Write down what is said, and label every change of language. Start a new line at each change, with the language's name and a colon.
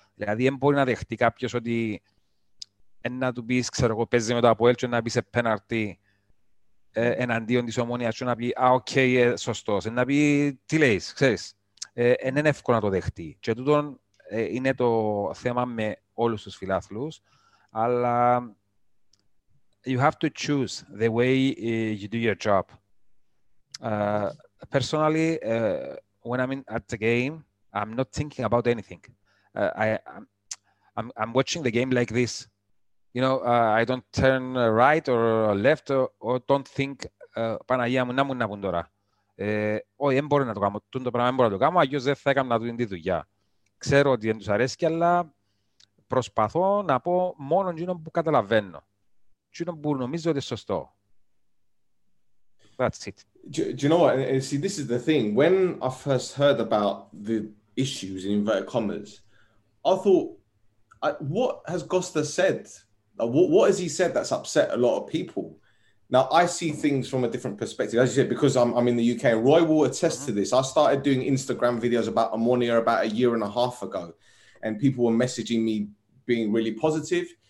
Greek: Δηλαδή, δεν μπορεί να δεχτεί κάποιο ότι να του πεις, ξέρω εγώ, παίζει με το Αποέλ και να μπει σε πέναρτι εναντίον της Ομόνιας και να πει, α, οκ, okay, σωστός. Να πει, τι λέεις, ξέρεις. Είναι εύκολο να το δεχτεί. Και τούτο είναι το θέμα με όλους τους φιλάθλους.
English: Αλλά you have to choose the way you do your job. Personally, when I'm at the game, I'm not thinking about anything. I'm watching the game like this. You know, I don't turn right or left or don't think
Greek: Παναγία μου, να μου να πουν τώρα. Όχι, δεν μπορώ να το κάνω. Τον το πράγμα δεν μπορώ να το κάνω, αλλιώς δεν θα έκανα την δουλειά. Ξέρω ότι δεν τους αρέσει, αλλά προσπαθώ να πω μόνο εκείνο που καταλαβαίνω. Εκείνο που νομίζω ότι είναι σωστό.
English: That's it. Do you know what? See, this is the thing. When I first heard about the issues in inverted commas, I thought, what has Costa said? What has he said that's upset a lot of people? Now, I see things from a different perspective. As you said, because I'm in the UK, Roy will attest to this. I started doing Instagram videos about Ammonia about a year and a half ago, and people were messaging me being really positive.